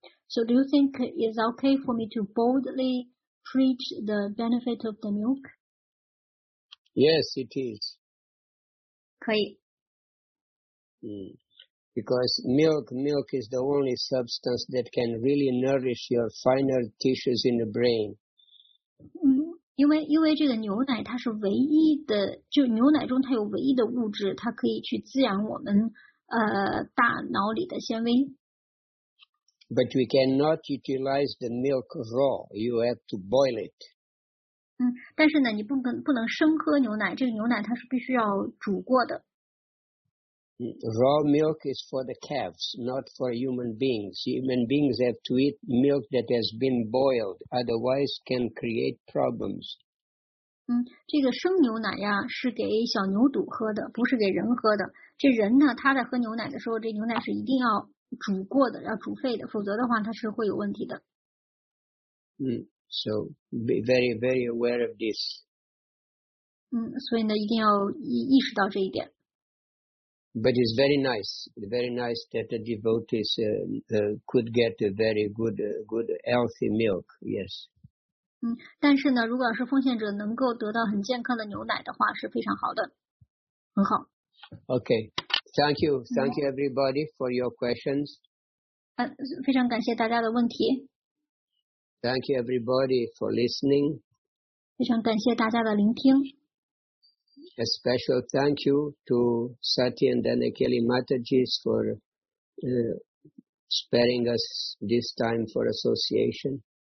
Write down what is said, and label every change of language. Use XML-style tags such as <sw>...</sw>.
<en>So do you think it's okay for me to boldly preach the benefit of the milk? Yes, it is.</en> <zh>可以。</zh> <en>Because milk is the only substance that can really nourish your finer tissues in the brain.</en> <zh>因为这个牛奶它是唯一的，就牛奶中它有唯一的物质，它可以去滋养我们大脑里的纤维。</zh> <en>But we cannot utilize the milk raw. You have to boil it.</en> <zh>但是呢，你不能生喝牛奶，这个牛奶它是必须要煮过的。</zh> <en>Raw milk is for the calves, not for human beings. Human beings have to eat milk that has been boiled, otherwise can create problems.</en> <zh>这个生牛奶呀是给小牛犊喝的，不是给人喝的。这人呢，他在喝牛奶的时候，这牛奶是一定要煮过的，要煮沸的，否则的话它是会有问题的。</zh> <en>So be very, very aware of this.</en> <zh>所以呢，一定要意识到这一点。</zh> <en>But it's very nice that a devotee could get a very good, good, healthy milk. Yes.</en> <zh>但是呢，如果是奉献者能够得到很健康的牛奶的话，是非常好的，很好。</zh> <en>Okay, thank you, thank you everybody for your questions.</en> <zh>非常感谢大家的问题。</zh> <en>Thank you everybody for listening.</en> <zh>非常感谢大家的聆听。</zh> <en>A special thank you to Sati and Anakeli Mataji for sparing us this time for association.</en>